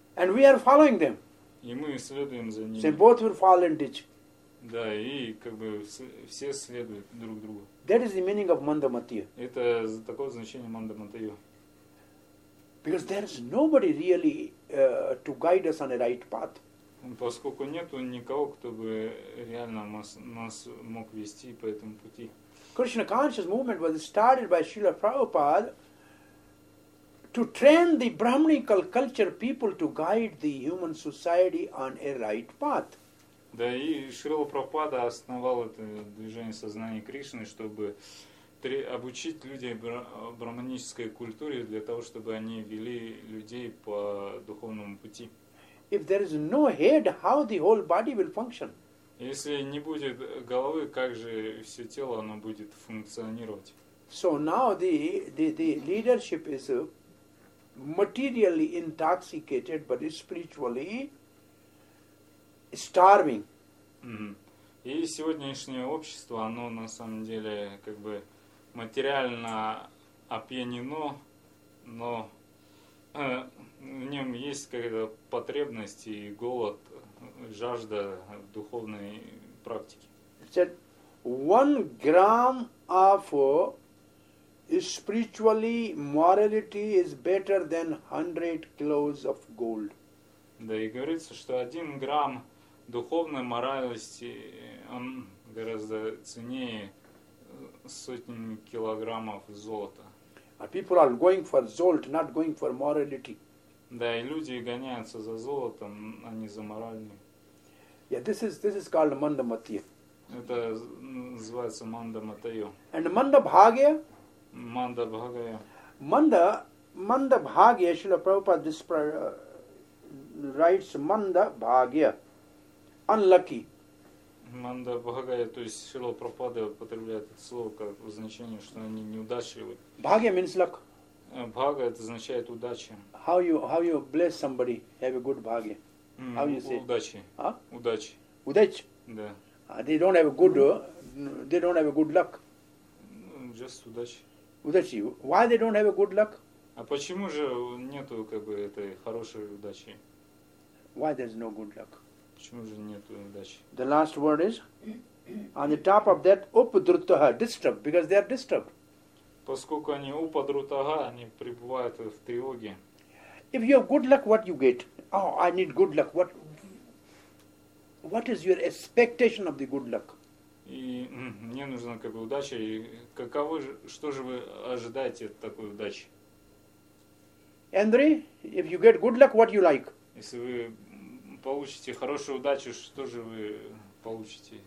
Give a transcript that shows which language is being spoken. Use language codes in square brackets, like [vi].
[en] And we are following them. [ru] И мы следуем за ними. [en] So both will fall in ditch. [ru] Да, и как бы все следуют друг другу. [en] That is the meaning of Mandamatiya. [ru] Это такое значение Мандаматия. [en] Because there is nobody really to guide us on a right path. [ru] Поскольку нету никого, кто бы реально нас мог вести по этому пути. [en] Krishna conscious movement was started by Srila Prabhupada to train the brahminical culture people to guide the human society on a right path. [ru] Да, и Шрила Прабхупада основал это движение сознания Кришны, чтобы обучить людей брахманической культуре для того, чтобы они вели людей по духовному пути. [en] If there is no head, how the whole body will function? [ru] Если не будет головы, как же все тело оно будет функционировать? [en] So now the leadership is materially intoxicated, but is spiritually starving. [ru] И сегодняшнее общество, оно на самом деле как бы материально опьянено, но в нем есть какая-то потребность и голод, жажда духовной практики. [en] Said, one gram of spiritually morality is better than 100 kilos of gold. [ru] Да, и говорится, что один грамм духовной моральности он гораздо ценнее сотни килограммов золота. [en] And people are going for gold, not going for morality. [ru] Да, и люди гоняются за золотом, а не за моральным. [en] Yeah, this is called Mandamatiya. [ru] Это называется Мандаматия. [en] And Mandabhagya? Mandabhagya. Mandabhagya, Srila Prabhupada writes Mandabhagya. Unlucky. [ru] Мандабхагая, то есть Шрила Прабхупада употребляет это слово как значение, что они неудачливы. [en] Бхагья means luck. [ru] Бхага это означает удача. [en] How you bless somebody, have a good bhagya. How you say? [ru] Удачи. А? Удачи. Удачи? Да. [en] They don't have a good luck. Just [ru] удачи. Удачи. [en] Why they don't have a good luck? [ru] А почему же нету как бы этой хорошей удачи? [en] Why there's no good luck? [ru] Почему же нету удачи? [en] The last word is on the top of that upadrutaha, disturbed, because they are disturbed. [ru] Поскольку они упадрутага, они пребывают в тревоге. [en] If you have good luck, what you get? Oh, I need good luck. What is your expectation of the good luck? [ru] И мне нужна как бы удача. И каковы же, что же вы ожидаете от такой удачи? [en] Andre, if you get good luck, what you like? [ru] Если вы получите хорошую удачу, что же вы получите?